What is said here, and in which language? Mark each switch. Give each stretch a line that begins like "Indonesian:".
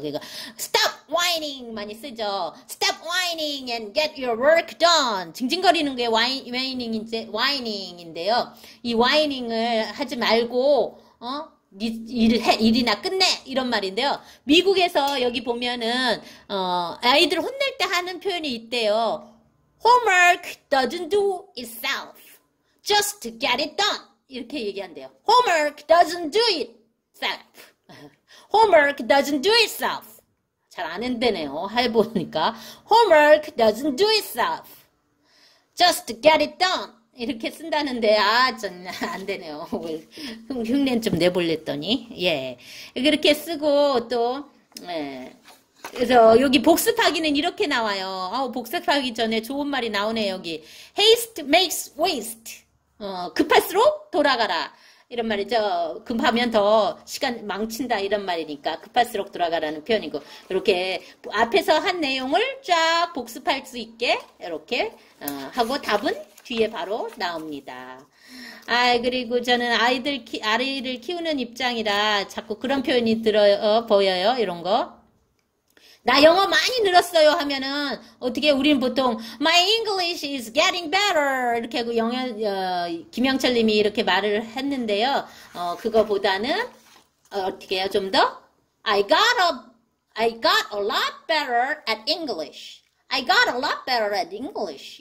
Korean: 그러니까
English: stop whining
Korean: 많이 쓰죠.
English: Stop whining and get your work done.
Korean: 징징거리는 게 whining인데요. 이 whining을 하지 말고 일이나 끝내 이런 말인데요. 미국에서 여기 보면은 아이들 혼낼 때 하는 표현이 있대요.
English: Homework doesn't do itself. Just get it done.
Korean: 이렇게 얘기한대요.
English: Homework doesn't do itself. Homework doesn't do itself.
Korean: 잘안 했대네요. 해보니까.
English: Homework doesn't do itself. Just get it done.
Korean: 이렇게 쓴다는데 아전안 되네요. 흉내 좀 내보냈더니 예 그렇게 쓰고 또 예. 그래서 여기 복습하기는 이렇게 나와요. 복습하기 전에 좋은 말이 나오네. 여기
English: haste makes waste.
Korean: 급할수록 돌아가라 이런 말이죠. 급하면 더 시간 망친다 이런 말이니까 급할수록 돌아가라는 표현이고 이렇게 앞에서 한 내용을 쫙 복습할 수 있게 이렇게 하고 답은 뒤에 바로 나옵니다. 아, 그리고 저는 아이를 키우는 입장이라 자꾸 그런 표현이 보여요. 이런 거. 나 영어 많이 늘었어요 하면은 어떻게 우리는 보통
English: My English is getting better
Korean: 이렇게 하고 김영철 님이 이렇게 말을 했는데요. 그거보다는 어떻게 해요? 좀 더?
English: I got a lot better at English. I got a lot better at English.